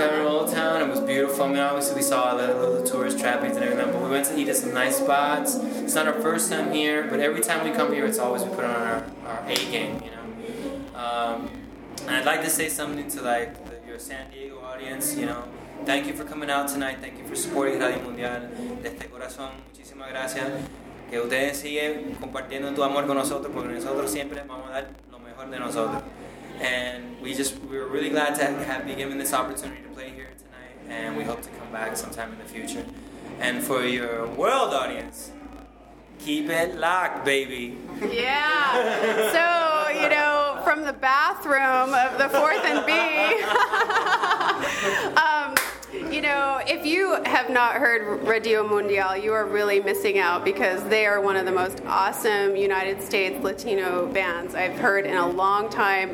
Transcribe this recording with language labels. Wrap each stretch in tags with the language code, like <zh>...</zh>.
<en>Old Town, it was beautiful. I mean, obviously, we saw the tourist trappings and everything, but we went to eat at some nice spots. It's not our first time here, but every time we come here, it's always we put on our A game, you know. And I'd like to say something to like your San Diego audience, you know. Thank you for coming out tonight. Thank you for supporting Radio Mundial.</en> <es>Desde corazón, muchísimas gracias. Que ustedes siguen compartiendo tu amor con nosotros, porque nosotros siempre vamos a dar lo mejor de nosotros.</es> <en>And we're really glad to have been given this opportunity to play here tonight, and we hope to come back sometime in the future. And for your world audience, keep it locked, baby. Yeah. So, you know, from the bathroom of the 4th and B, you know, if you have not heard Radio Mundial, you are really missing out, because they are one of the most awesome United States Latino bands I've heard in a long time.</en>